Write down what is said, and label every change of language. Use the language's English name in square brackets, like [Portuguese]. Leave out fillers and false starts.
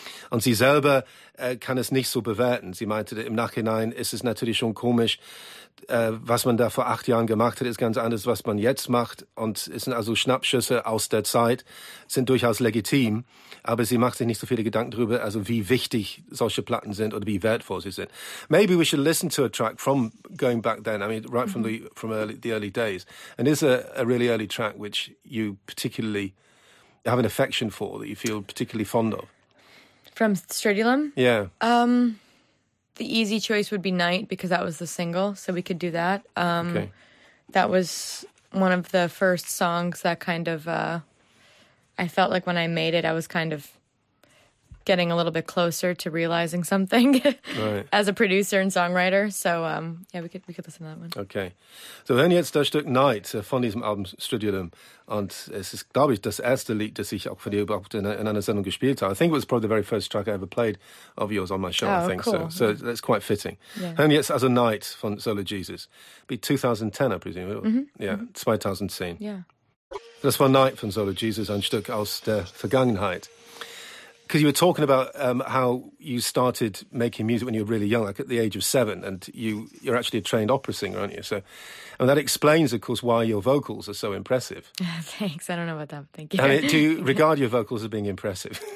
[German] Und sie selber kann es nicht so bewerten. Sie meinte, im Nachhinein ist es natürlich schon komisch, was man da vor 8 Jahren gemacht hat, ist ganz anders, was man jetzt macht. Und es sind also Schnappschüsse aus der Zeit, sind durchaus legitim. Aber sie macht sich nicht so viele Gedanken darüber, also wie wichtig solche Platten sind oder wie wertvoll sie sind. [English] Maybe we should listen to a track from going back then, I mean, right from the early days. And it's a really early track which you particularly have an affection for, that you feel particularly fond of. From Stridulum? Yeah. The easy choice would be Night, because that was the single, so we could do that. Okay. That was one of the first songs that kind of, I felt like when I made it, I was kind of getting a little bit closer to realizing something right. as a producer and songwriter. So, we could listen to that one. Okay. [German] So, wir hören jetzt das Stück Night von diesem Album Stridulum. Und es ist, glaube ich, das erste Lied, das ich auch für dich überhaupt in einer Sendung gespielt habe. [English] I think it was probably the very first track I ever played of yours on my show, oh, I think. Cool. So that's yeah. quite fitting. Yeah. [German] Hören jetzt also Night von Solar Jesus. Be 2010, [English] I presume. Mm-hmm. Yeah, mm-hmm. 2010. Yeah. [German] Das war Night von Solar Jesus, ein Stück aus der Vergangenheit. [English] Because you were talking about how you started making music when you were really young, like at the age of 7, and you're actually a trained opera singer, aren't you? So, and that explains, of course, why your vocals are so impressive. Thanks. I don't know about that. Thank you. Do you regard your vocals as being impressive?